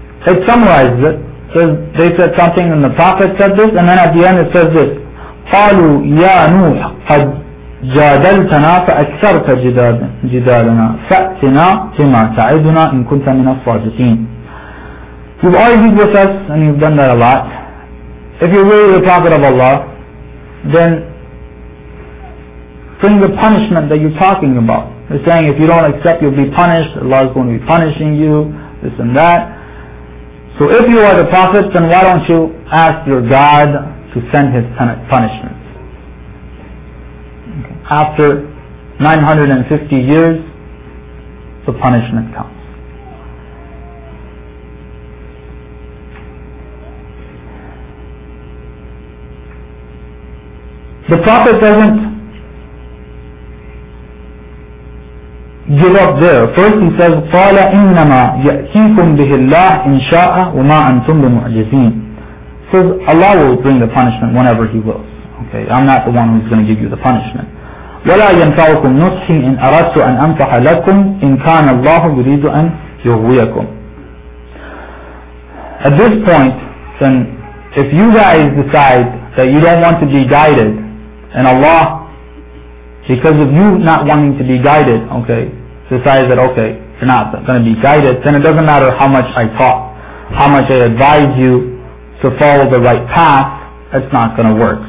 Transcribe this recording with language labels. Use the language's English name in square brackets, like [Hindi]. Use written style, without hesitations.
[English] It summarizes it. Says they said something and the Prophet said this, and then at the end it says this. [Arabic] قالوا يا نوح قد جادلتنا فأكثرت جدالنا فأتنا بما تعدنا إن كنت من الصادقين. [English] You've argued with us and you've done that a lot. If you're really the prophet of Allah, then bring the punishment that you're talking about. They're saying if you don't accept, you'll be punished. Allah is going to be punishing you, this and that. So if you are the prophet, then why don't you ask your God to send his punishment? Okay. After 950 years, the punishment comes. The Prophet doesn't give up there. First he says, [Arabic] قَالَ إِنَّمَا يَأْتِيكُمْ بِهِ اللَّهِ إِنْ شَاءَ وَمَا أَنْتُمْ بِمُعْجِزِينَ. [English] Says Allah will bring the punishment whenever He wills. Okay, I'm not the one who's going to give you the punishment. [Arabic] وَلَا يَنْفَعُكُمْ نُصْحِي إِنْ أَرَدْتُ أَنْ أَنْفَحَ لَكُمْ إِنْ كَانَ اللَّهُ يُرِيدُ أَنْ يُغْوِيَكُمْ. [English] At this point, then, if you guys decide that you don't want to be guided, and Allah, because of you not wanting to be guided, okay, decides that, okay, you're not going to be guided, then it doesn't matter how much I talk, how much I advise you to follow the right path, it's not going to work.